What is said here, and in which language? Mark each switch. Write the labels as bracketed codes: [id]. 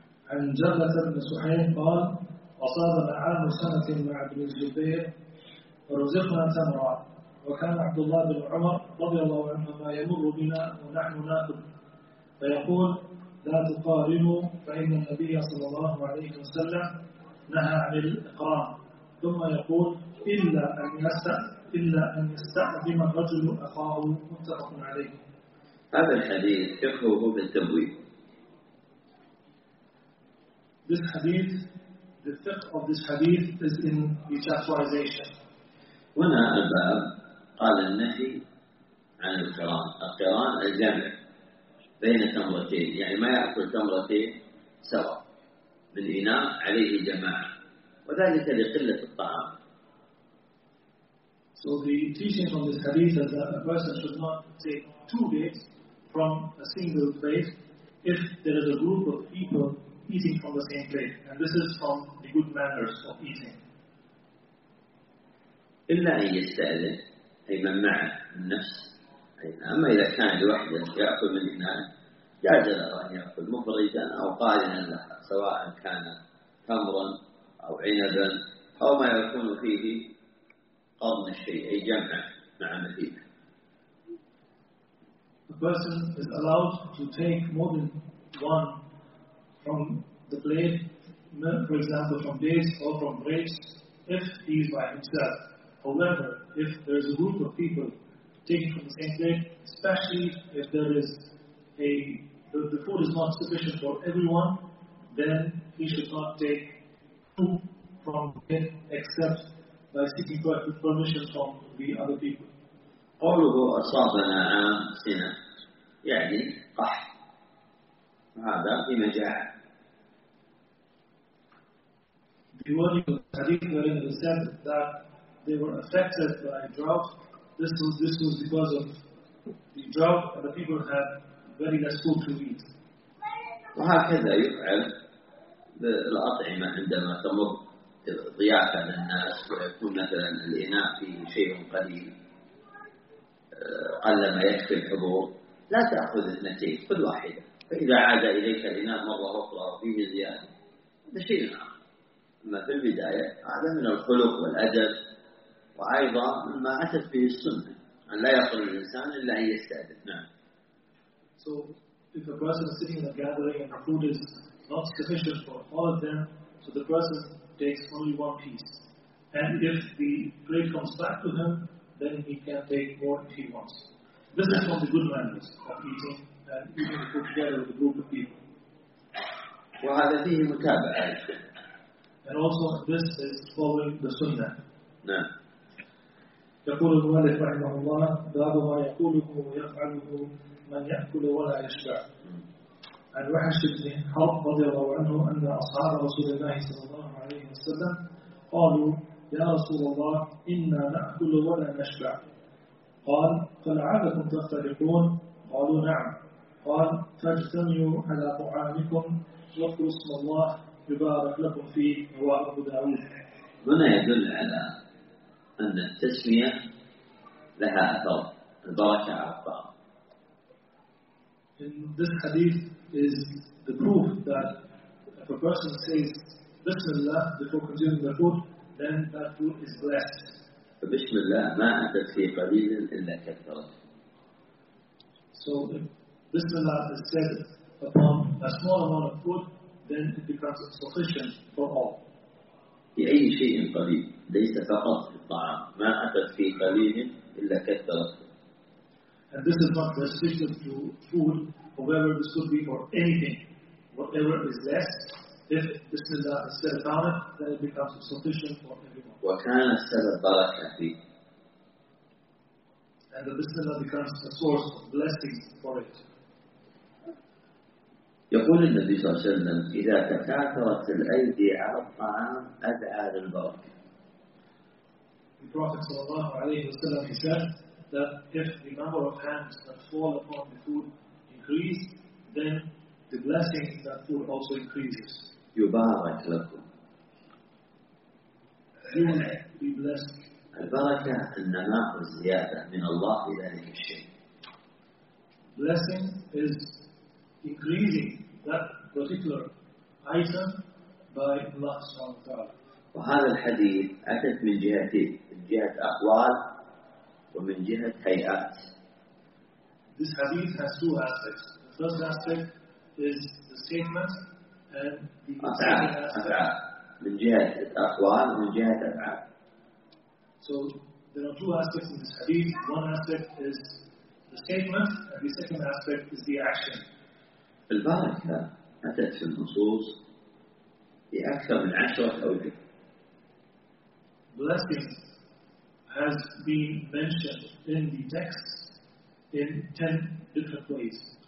[ar] عن جرة بن سحيم قال: أصابنا عام سنة مع ابن الزبير فرزقنا تمرا، وكان عبد الله بن عمر رضي الله عنهما يمر بنا ونحن ناكل فيقول: لا تقارنوا، فإن النبي صلى الله عليه وسلم نهى عن الإقران، ثم يقول: إلا أن يستأذن الرجل أخاه. متفق عليه. هذا الحديث فقهه بالتبويب. [en] This hadith, the fiqh of this hadith is in detaphorization. [ar] هنا الباب قال النهي عن القران، القران الجمع بين تمرتين، يعني ما ياكل تمرتين سوا من اناء عليه جماعه، وذلك لقله الطعام. [en] So the teaching from this hadith is that a person should not take two dates from a single plate if there is a group of people eating from the same plate, and this is from the good manners of eating. [ar] الا ان يستاذن، أي من معه النفس، أما إذا كان لوحده يأكل من هنا جاز له أن يأكل مفردا أو قارنا له، سواء كان تمرا أو عنبا أو ما يكون فيه قرن الشيء، أي جمع مع مثيله. [en] The person is allowed to take more than one from the plate, for example from dates or from grapes, if he is by himself. However, if there is a group of people taking from the same plate, especially if there is the food is not sufficient for everyone, then he should not take whom from him except by seeking God with permission from the other people. [ar] قوله أصابنا عام سنة يعني قحط هذا في مجاعة. [en] The warning of the Hadith wherein it is said that they were affected by drought. This was because of the drought and the people had very less food to eat. [ar] وهكذا يفعل بالأطعمة عندما تمر ضيافة للناس ويكون مثلا الإناء فيه شيء قليل قل ما يكفي الحضور لا تأخذ اثنتين خذ واحدة فإذا عاد إليك الإناء مرة أخرى فيه زيادة هذا شيء آخر. أما في البداية هذا من الخلق والأدب وأيضا ما أتت به السنة أن لا يقل الإنسان إلا أن يستأذن. نعم. [en] So if a person is sitting in a gathering and the food is not sufficient for all of them, so the person takes only one piece. And if the plate comes back to him, then he can take more if he wants. This is one of the good manners of eating and eating the food together with a group of people. [ar] وهذا فيه متابعة. [en] And also this is following the sunnah. [ar] نعم. يقول المؤلف رحمه الله باب ما يقوله ويفعله من يأكل ولا يشبع. عن وحش بن حرب رضي الله عنه أن أصحاب رسول الله صلى الله عليه وسلم قالوا يا رسول الله إنا نأكل ولا نشبع. قال فلعلكم تفترقون. قالوا نعم. قال فاجتمعوا على طعامكم واذكروا اسم الله يبارك لكم فيه. رواه أبو داود. هنا يدل على أن التسمية لها أثر البركة على الطعام. [en] In this hadith is the proof that if a person says Bismillah before consuming the food, then that food is blessed. [ar] فبسمالله ما أتت في قليل إلا كثرت. [en] So if Bismillah is said upon a small amount of food, then it becomes sufficient for all. [ar] في أي شيء قليل ليس فقط في الطعام ما أتت في قليل إلا كثرت. [en] And this is not restricted to food. However, this could be for anything. Whatever is less, if this is a set upon it, then it becomes sufficient for everyone. [ar] وَكَانَ السَّلَبْ بَرَكَةِ. [en] And the Bismillah becomes a source of blessings for it. [ar] يقول النبي صلى الله عليه وسلم إِذَا تَكَاثَرَتْ الْأَيْدِي عَلَى الطَّعَامِ أَدْعَى لِلْبَرَكَةِ. [en] The Prophet [ar] صلى الله عليه وسلم [en] said that if the number of hands that fall upon the food increase, then the blessing in that food also increases. [ar] يبارك لكم. [en] You will be blessed. [ar] البركة النماء والزيادة من الله إلى ذلك الشيء. [en] Blessing is increasing that particular item by Allah [ar] سبحانه وتعالى. وهذا الحديث أتت من جهتين، جهة أقوال ومن جهة هيئات. [en] This hadith has two aspects. The first aspect is the statement and the second aspect. [ar] من جهة الأقوال ومن جهة الأفعال. [en] So there are two aspects in this hadith. One aspect is the statement and the second aspect is the action. [ar] البركة أتت في النصوص في أكثر من عشرة أوجه. [en] Blessings has been mentioned in the texts in 10 different ways.